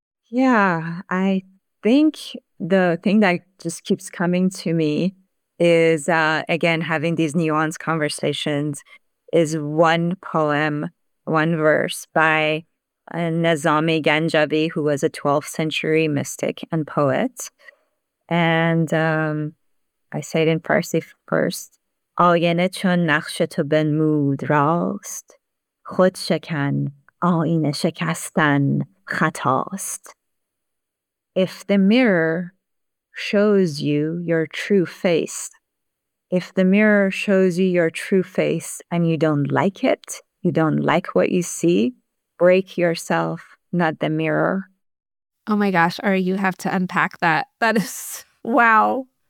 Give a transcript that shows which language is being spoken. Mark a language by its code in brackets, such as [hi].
[en] Yeah, I think the thing that just keeps coming to me is, again, having these nuanced conversations, is one poem, one verse by Nizami Ganjavi, who was a 12th century mystic and poet. And I say it in Farsi first. [fa] آینه چون نقش تو بنمود راست، خود شکن آینه شکستن خطاست. [en] If the mirror shows you your true face, if the mirror shows you your true face and you don't like it, you don't like what you see, break yourself, not the mirror. Oh my gosh, Ari, you have to unpack that. That is wow.